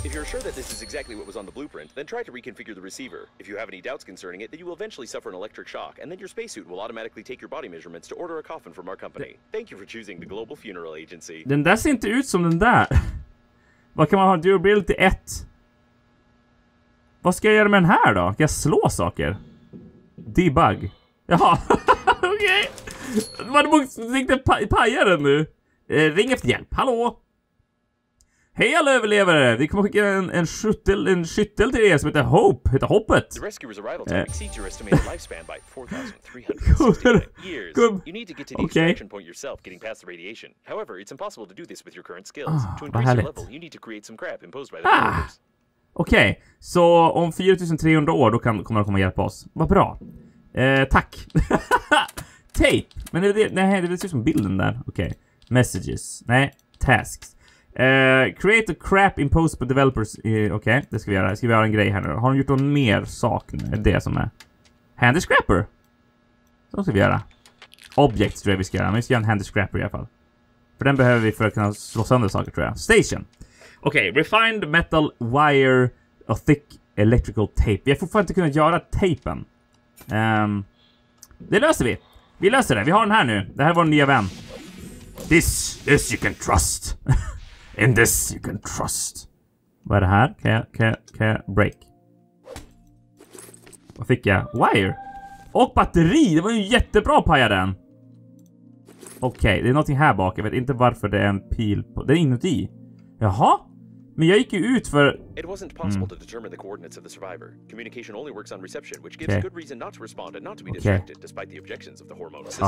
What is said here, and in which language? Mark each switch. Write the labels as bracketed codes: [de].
[en] If you're sure that this is exactly what was on the blueprint, then try to reconfigure the receiver. If you have any doubts concerning it, then you will eventually suffer an electric shock, and then your spacesuit will automatically take your body measurements to order a coffin from our company. Thank you for choosing the Global Funeral Agency. [sv] Den där ser inte ut som den där. Vad kan man ha durability 1? Vad ska jag göra med den här då? Kan jag slå saker? Debug. Jaha, okej. Okay. Vad måste paja den nu? Ring efter hjälp, hallå? Hej alla överlevare! Vi kommer skicka en skyttel till er som heter Hope. Heter Hoppet. [en] The rescuer's arrival time exceeds your estimated lifespan by 4,368 years. You need to get to the extraction point yourself, getting past the radiation. However, it's impossible to do this with your current skills. To increase your level, you need to create some crap imposed by the universe. [sv] Okej, så om 4,300 år då kommer de komma och hjälpa oss. Vad bra. Tack. Tape. Men det ser ut som bilden där. Okej. Okay. Messages. Nej, tasks. [en] Create a crap imposed [sv] på developers. Okej, det ska vi göra. Ska vi göra en grej här nu? Har de gjort någon mer sak nu? Det som är handy scrapper. Så ska vi göra. Objects tror jag vi ska göra. Men vi ska göra en handy scrapper i alla fall. För den behöver vi för att kunna slå sönder saker tror jag. Station. Okej, okay, refined metal wire och thick electrical tape. Vi har fortfarande inte kunnat göra tapen. Det löser vi. Vi löser det. Vi har den här nu. Det här är vår nya vän. [en] This you can trust. In this you can trust. [sv] Vad är det här? Kan jag break? Vad fick jag? Wire. Och batteri. Det var ju jättebra att paja den. Okej, det är någonting här bak. Jag vet inte varför det är en pil på. Det är inuti. Jaha. Men jag gick ju ut för... [en] It wasn't possible to determine the coordinates of the survivor. Communication only works on reception, which gives good reason not to respond and not to be distracted despite the objections of the hormonal system.